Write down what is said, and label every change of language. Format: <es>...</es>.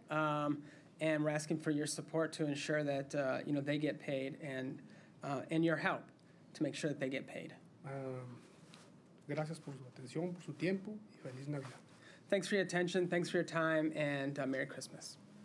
<en>And we're asking for your support to ensure that, you know, they get paid and your help to make sure that they get paid.</en> <es>Gracias por su atención, por su tiempo, y feliz Navidad.</es> <en>Thanks for your attention, thanks for your time, and Merry Christmas.</en>